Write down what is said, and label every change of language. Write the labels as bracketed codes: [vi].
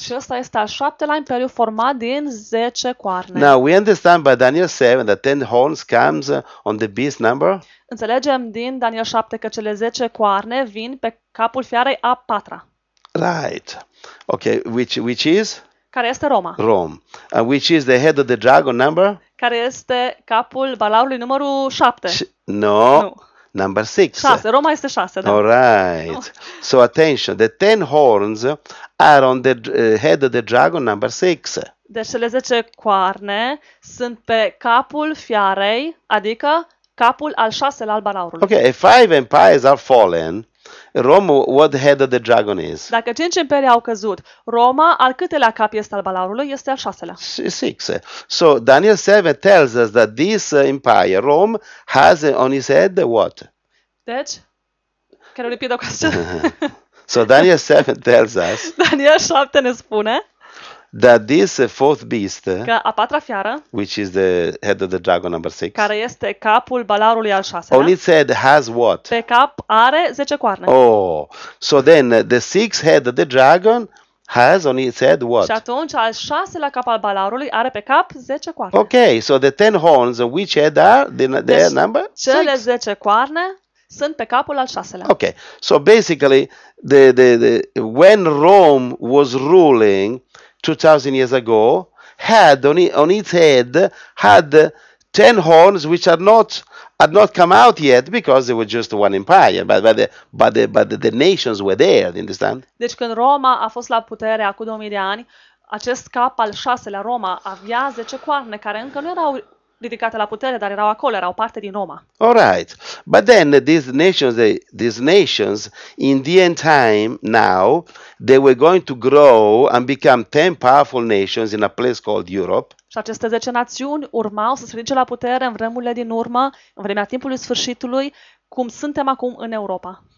[ro] Și ăsta este al șaptelea imperiu format din 10 coarne. [en] Now we understand by Daniel 7 that ten horns comes on the beast number. [ro] Înțelegem din Daniel 7 că cele 10 coarne vin pe capul fiarei a patra. [en] Right. Okay, which is? [ro] care este Roma. [en] Rome, which is the head of the dragon number? [ro] Care este capul balaurului numărul 7? [en] No. [ro] Nu. [en] Number 6. [ro] 6, Roma este 6, da. [en] All right. No. So attention, the 10 horns are on the head of the dragon number 6. [ro] Deci cele 10 coarne sunt pe capul fiarei, adică capul al 6-lea al balaurului. [en] Okay, if five empires are fallen, Rome, what head of the dragon is? [ro] Dacă 5 imperii au căzut, Roma, al câtelea cap este al balaurului? Este al 6-lea. 6. [en] So Daniel 7 tells us that this empire, Rome, has on his head what? [ro] Deci, [en] can I repeat the question? So Daniel 7 tells us. [ro] Daniel 7 ne spune. [en] That this fourth beast, [ro] că a patra fiară, [en] which is the head of the dragon number 6, [ro] care este capul balaurului al 6-lea, [en] on its head has what? [ro] Pe cap are 10 coarne. [en] Oh, so then the sixth head of the dragon has on its head what? [ro] Și atunci al 6-lea cap al balaurului are pe cap 10 coarne. [en] Okay, so the 10 horns, which head are their number? [ro] Cele 10 coarne sunt pe capul al 6-lea. [en] Okay, so basically the when Rome was ruling 2000 years ago, had on its head had 10 horns which had not come out yet because they were just one empire, but the nations were there, you understand? [ro] Deci când Roma a fost la putere acum 2000 de ani, acest cap al 6-lea Roma avea 10 coarne care încă nu erau ridicate la putere, dar erau acolo, erau parte din Roma. [en] All right. But then these nations in the end time now they were going to grow and become 10 powerful nations in a place called Europe. [ro] Și aceste 10 națiuni urmau să se ridice la putere în vremurile din urmă, în vremea timpului sfârșitului, cum suntem acum în Europa.